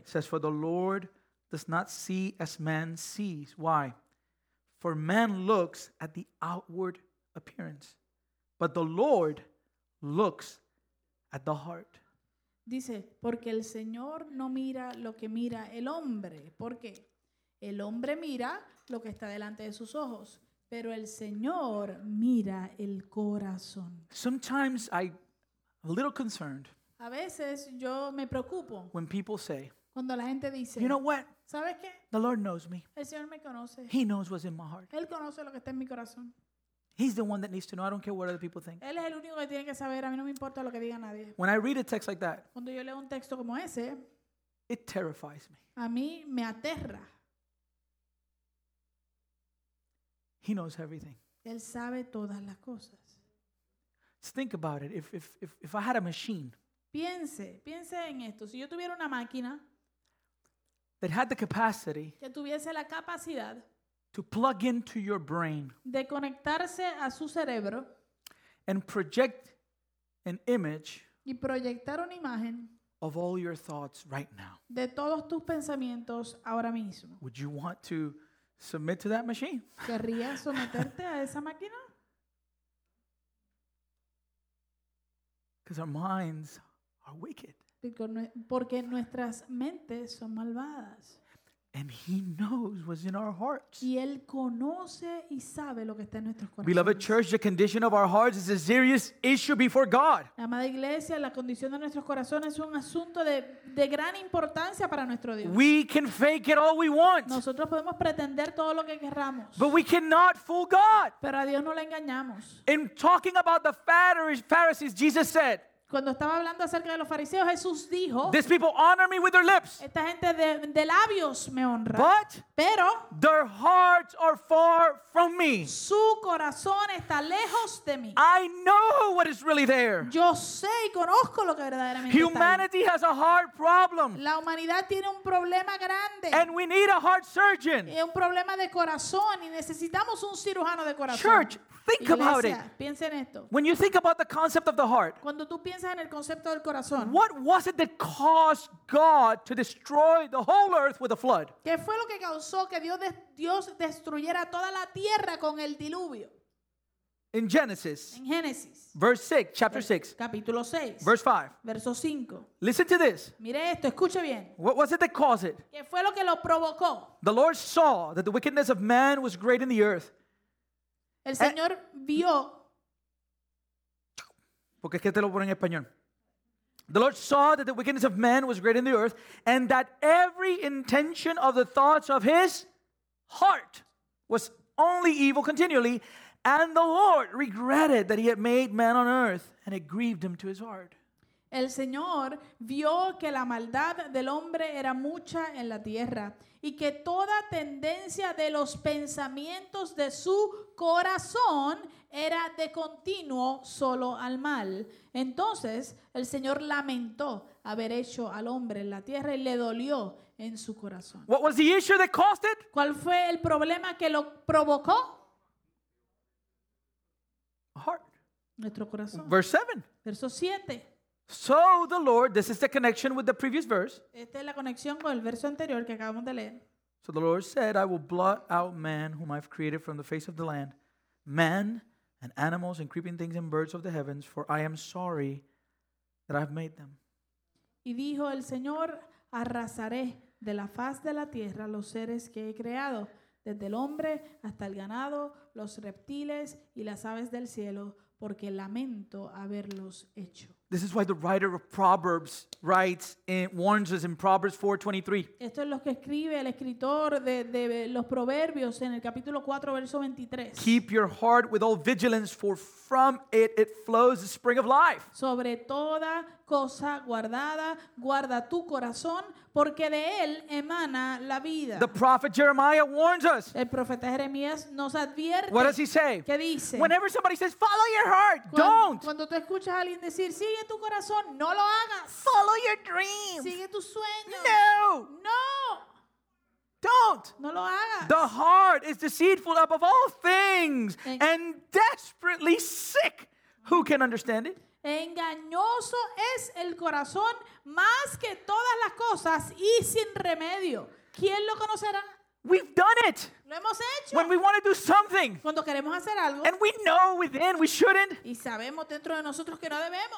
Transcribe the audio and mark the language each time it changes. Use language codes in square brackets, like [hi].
[en] says, for the Lord does not see as man sees. Why? For man looks at the outward appearance, but the Lord looks at the heart. [es] Dice, porque el Señor no mira lo que mira el hombre. ¿Por qué? El hombre mira lo que está delante de sus ojos, pero el Señor mira el corazón. [en] Sometimes I'm a little concerned. [es] A veces yo me preocupo. [en] When people say, [es] cuando la gente dice, [en] you know what? [es] ¿Sabes qué? [en] The Lord knows me. [es] El Señor me conoce. [en] He knows what's in my heart. [es] Él conoce lo que está en mi corazón. [en] He's the one that needs to know. I don't care what other people think. [es] Él es el único que tiene que saber. A mí no me importa lo que diga nadie. [en] When I read a text like that, [es] cuando yo leo un texto como ese, [en] it terrifies me. [es] A mí me aterra. [en] He knows everything. [es] Él sabe todas las cosas. [en] Just think about it. If I had a machine, [es] piense en esto. Si yo tuviera una máquina [en] that had the capacity, [es] que tuviese la capacidad, [en] to plug into your brain, [es] de conectarse a su cerebro, [en] and project an image, [es] y proyectar una imagen, [en] of all your thoughts right now, [es] de todos tus pensamientos ahora mismo. [en] Would you want to submit to that machine? [es] ¿Querrías someterte a esa máquina? [en] Because our minds are wicked. [es] Porque nuestras mentes son malvadas. [en] And he knows what's in our hearts. [es] Y él conoce y sabe lo que está en nuestros corazones. [en] Beloved church, the condition of our hearts is a serious issue before God. [es] Amada iglesia, la condición de nuestros corazones es un asunto de gran importancia para nuestro Dios. [en] We can fake it all we want. [es] Nosotros podemos pretender todo lo que queramos. [en] But we cannot fool God. [es] Pero a Dios no le engañamos. [en] In talking about the Pharisees, Jesus said, [es] cuando estaba hablando acerca de los fariseos, Jesús dijo, [en] "These people honor me with their lips." [es] Esta gente de labios me honra. [en] But [es] pero [en] their hearts are far from me. [es] Su corazón está lejos de mí. [en] I know what is really there. [es] Yo sé y conozco lo que verdaderamente [en] humanity [es] está ahí. [en] Humanity has a heart problem. [es] La humanidad tiene un problema grande. [en] And we need a heart surgeon. [es] Es un problema de corazón y necesitamos un cirujano de corazón. [en] Church, think [es] iglesia, [en] about it. [es] Piensa en esto. [en] When you think about the concept of the heart, [es] cuando tú piensas en el concepto del corazón, [en] what was it that caused God to destroy the whole earth with a flood? [es] ¿Qué fue lo que causó que Dios destruyera toda la tierra con el diluvio? [en] In Genesis. [es] En Génesis. [en] Verse 6, chapter 6. [es] Capítulo 6. [en] Verse 5. [es] Verso 5. [en] Listen to this. [es] Mire esto, escuche bien. [en] What was it that caused it? [es] ¿Qué fue lo que lo provocó? [en] The Lord saw that the wickedness of man was great in the earth. [es] El Señor vio. Porque es que te lo pone en español. [en] The Lord saw that the wickedness of man was great in the earth, and that every intention of the thoughts of his heart was only evil continually, and the Lord regretted that he had made man on earth, and it grieved him to his heart. [es] El Señor vio que la maldad del hombre era mucha en la tierra, y que toda tendencia de los pensamientos de su corazón era de continuo solo al mal. Entonces el Señor lamentó haber hecho al hombre en la tierra y le dolió en su corazón. [en] What was the issue that caused it? [es] ¿Cuál fue el problema que lo provocó? [en] Heart. [es] Nuestro corazón. [en] Verse 7. [es] Verso 7. [en] So the Lord, this is the connection with the previous verse. [es] Esta es la conexión con el verso anterior que acabamos de leer. [en] So the Lord said, I will blot out man whom I've created from the face of the land, man and animals and creeping things and birds of the heavens, for I am sorry that I've made them. [es] Y dijo el Señor, arrasaré de la faz de la tierra los seres que he creado, desde el hombre hasta el ganado, los reptiles y las aves del cielo, porque lamento haberlos hecho. [en] This is why the writer of Proverbs writes and warns us in Proverbs 4:23. [es] Esto es lo que escribe el escritor de los Proverbios en el capítulo 4, verso 23. [en] Keep your heart with all vigilance, for from it flows the spring of life. [es] Sobre toda cosa guardada, guarda tu corazón, porque de él emana la vida. [en] The prophet Jeremiah warns us. [es] El profeta Jeremías nos advierte. [en] What does he say? [es] ¿Qué dice? [en] Whenever somebody says, follow your heart, don't. [es] Cuando tú escuchas a alguien decir, sigue tu corazón, no lo hagas. [en] Follow your dreams. [es] Sigue tus sueños. [en] No. [es] No. [en] Don't. [es] No lo hagas. [en] The heart is deceitful above all things and desperately sick. Who can understand it? [es] Engañoso es el corazón más que todas las cosas y sin remedio. ¿Quién lo conocerá? [en] We've done it. [es] Lo hemos hecho. [en] When we want to do something, [es] cuando queremos hacer algo, [en] and we know within we shouldn't, [es] y sabemos dentro de nosotros que no debemos,